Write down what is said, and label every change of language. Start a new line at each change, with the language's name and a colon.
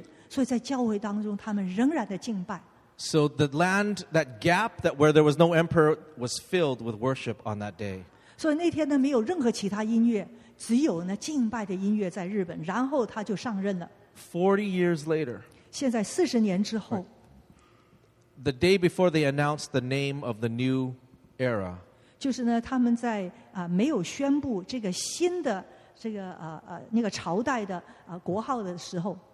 Chinese: 因为呢，他们是要为了尊荣这个天王要上任，但是那天是主日，所以在教会当中，他们仍然的敬拜。
English: So the land, that gap, that where there was no emperor, was filled with worship on that day.
Chinese: 所以那天呢，没有任何其他音乐，只有呢敬拜的音乐在日本，然后他就上任了。
English: 40 years later,
Chinese: 现在40年之后,
English: the day before they announced the name of the new era,
Chinese: 就是呢，他们在没有宣布这个新的这个那个朝代的国号的时候,